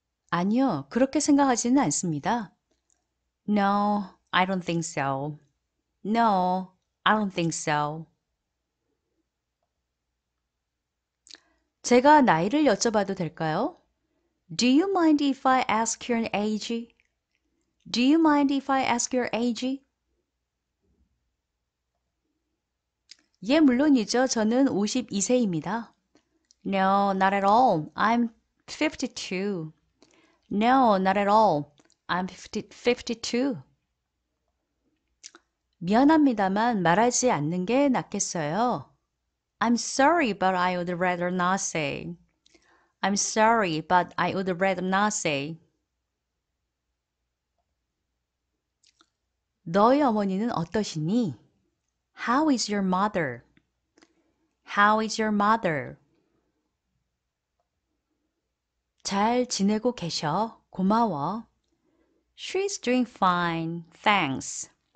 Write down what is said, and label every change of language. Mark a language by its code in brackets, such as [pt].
[ko] 아니요, 그렇게 생각하지는 않습니다. [en] No, I don't think so. No, I don't think so. [ko] 제가 나이를 여쭤봐도 될까요? [en] Do you mind if I ask your age? Do you mind if I ask your age? [ko] 예, 물론이죠. 저는 52세입니다. [en] No, not at all. I'm 52. No, not at all. I'm 52. [ko] 미안합니다만 말하지 않는 게 낫겠어요. [en] I'm sorry, but I would rather not say. I'm sorry, but I would rather not say. [ko] 너의 어머니는 어떠시니? [en] How is your mother? How is your mother? [ko] 잘 지내고 계셔. 고마워. [en] She's doing fine. Thanks.